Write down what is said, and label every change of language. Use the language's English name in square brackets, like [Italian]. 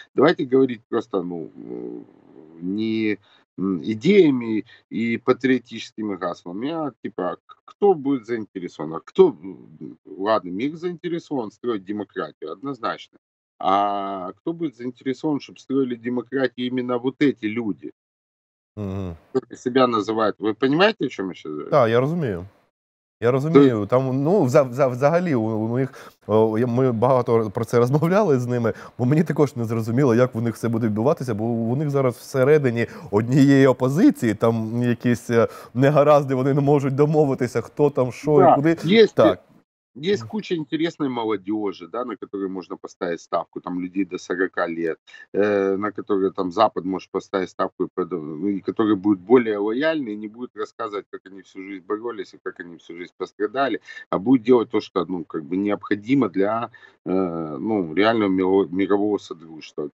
[Russian] Давайте говорить просто, ну, не идеями и патриотическими гаслами, а типа, кто будет заинтересован? А кто, ладно, мир заинтересован строить демократию, однозначно. А кто будет заинтересован, чтобы строили демократию именно вот эти люди? Mm-hmm. Кто себя называет? Вы понимаете, о чем я сейчас говорю? [Ukrainian] Да, я разумею. Я розумію, там, ну, взагалі, у них, ми багато про це розмовляли з ними, бо мені також не зрозуміло, як в них все буде відбуватися, бо у них зараз всередині однієї опозиції, там якісь негаразди, вони не можуть домовитися, хто там, що [Russian] да, [Ukrainian] і куди. Єсть, так. [Russian] Есть куча интересной молодежи, да, на которую можно поставить ставку, там людей до 40 лет, на которые там Запад может поставить ставку, и которые будут более лояльны и не будут рассказывать, как они всю жизнь боролись и как они всю жизнь пострадали, а будут делать то, что, ну, как бы необходимо для, ну, реального мирового содружества.